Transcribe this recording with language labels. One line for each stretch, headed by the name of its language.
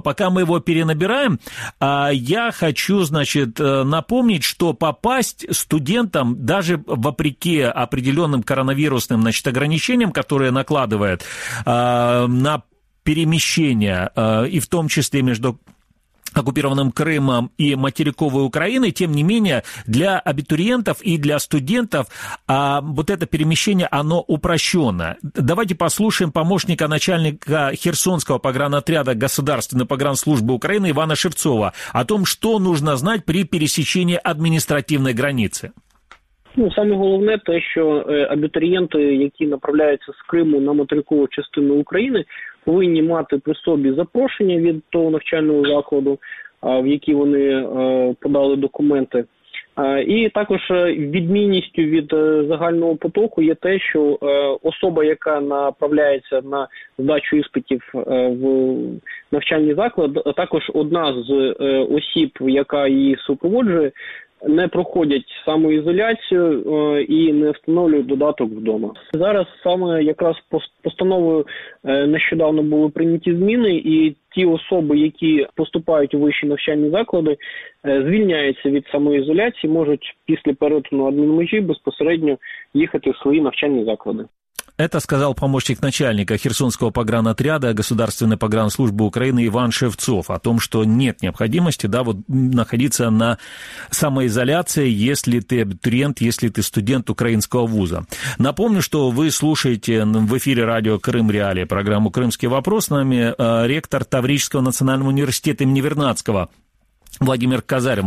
Russian: Пока мы его перенабираем, я хочу, значит, напомнить, что попасть студентам, даже вопреки определенным коронавирусным, значит, ограничениям, которые накладывает на перемещение, и в том числе между оккупированным Крымом и материковой Украиной, тем не менее, для абитуриентов и для студентов вот это перемещение, оно упрощено. Давайте послушаем помощника начальника Херсонского погранотряда Государственной погранслужбы Украины Ивана Шевцова о том, что нужно знать при пересечении административной границы.
Ukrainian: Ну, саме головне те, що абітурієнти, які направляються з Криму на материкову частину України, повинні мати при собі запрошення від того навчального закладу, в який вони подали документи. І також відмінністю від загального потоку є те, що особа, яка направляється на здачу іспитів в навчальний заклад, також одна з осіб, яка її супроводжує, не проходять самоізоляцію і не встановлюють додаток вдома. Зараз саме якраз постановою нещодавно були прийняті зміни, і ті особи, які поступають у вищі навчальні заклади, звільняються від самоізоляції, можуть після перетину адмінмежі безпосередньо їхати в свої навчальні заклади.
Russian: Это сказал помощник начальника Херсонского погранотряда Государственной погранслужбы Украины Иван Шевцов о том, что нет необходимости, да, вот, находиться на самоизоляции, если ты абитуриент, если ты студент украинского вуза. Напомню, что вы слушаете в эфире радио «Крым Реалии» программу «Крымский вопрос». С нами ректор Таврического национального университета имени Вернадского Владимир Казарин.